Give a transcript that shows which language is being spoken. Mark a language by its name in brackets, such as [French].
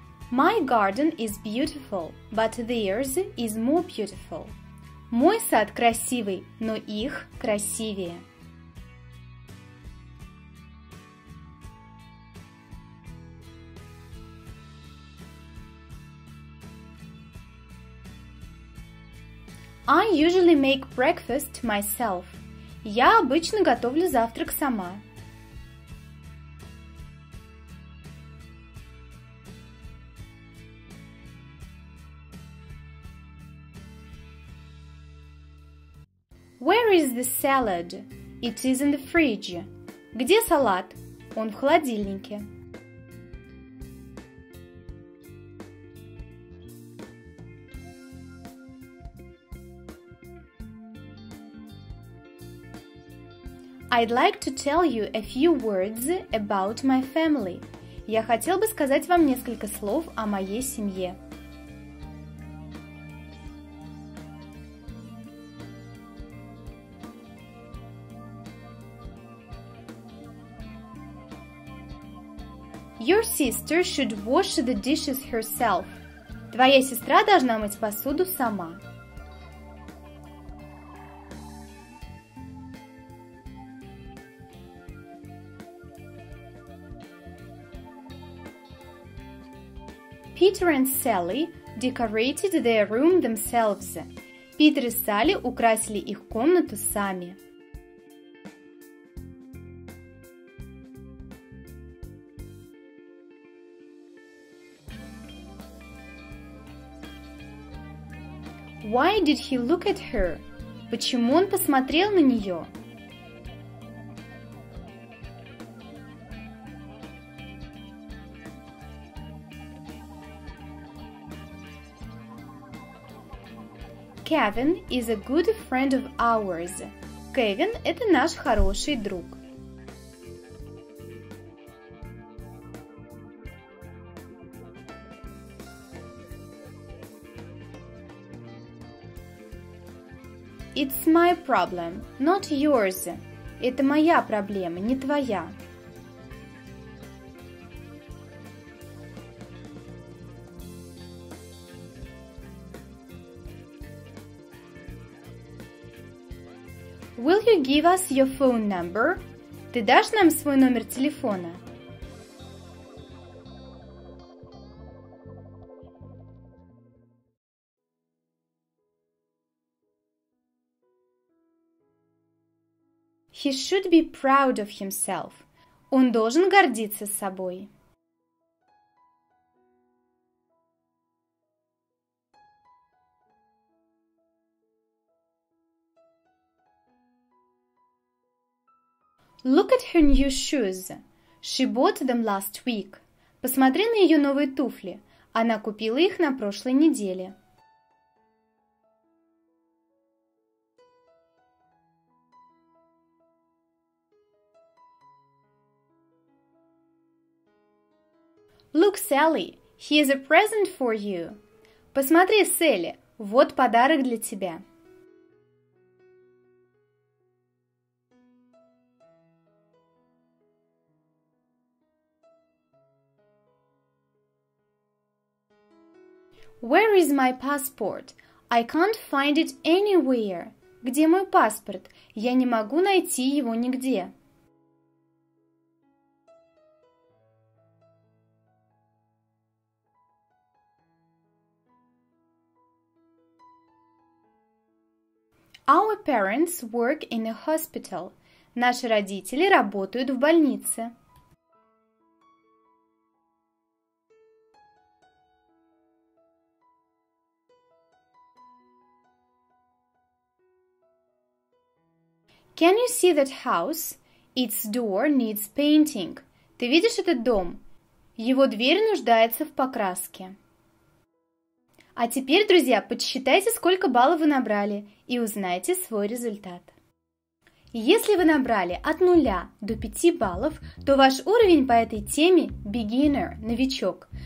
[English] My garden is beautiful, but theirs is more beautiful. [Russian] Мой сад красивый, но их красивее. [English] I usually make breakfast myself. [Russian] Я обычно готовлю завтрак сама. [English] Where is the salad? It is in the fridge. [Russian] Где салат? Он в холодильнике. [English] I'd like to tell you a few words about my family. [Russian] Я хотел бы сказать вам несколько слов о моей семье. [English] Your sister should wash the dishes herself. [Russian] Твоя сестра должна мыть посуду сама. [English] Peter and Sally decorated their room themselves. [Russian] Питер и Салли украсили их комнату сами. [English] Why did he look at her? [Russian] Почему он посмотрел на нее? [English] Kevin is a good friend of ours. [Russian] Кевин – это наш хороший друг. [English] It's my problem, not yours. [Russian] Это моя проблема, не твоя. [English] Will you give us your phone number? [Russian] Ты дашь нам свой номер телефона? [English] He should be proud of himself. [Russian] Он должен гордиться собой. [English] Look at her new shoes. She bought them last week. [Russian] Посмотри на ее новые туфли. Она купила их на прошлой неделе. [English] Look, Sally, here's a present for you. [Russian] Посмотри, Селли, вот подарок для тебя. [English] Where is my passport? I can't find it anywhere. [Russian] Где мой паспорт? Я не могу найти его нигде. [English] Our parents work in a hospital. [Russian] Наши родители работают в больнице. [English] Can you see that house? Its door needs painting. [Russian] Ты видишь этот дом? Его дверь нуждается в покраске. А теперь, друзья, подсчитайте, сколько баллов вы набрали, и узнайте свой результат. Если вы набрали от 0 до 5 баллов, то ваш уровень по этой теме – beginner, новичок.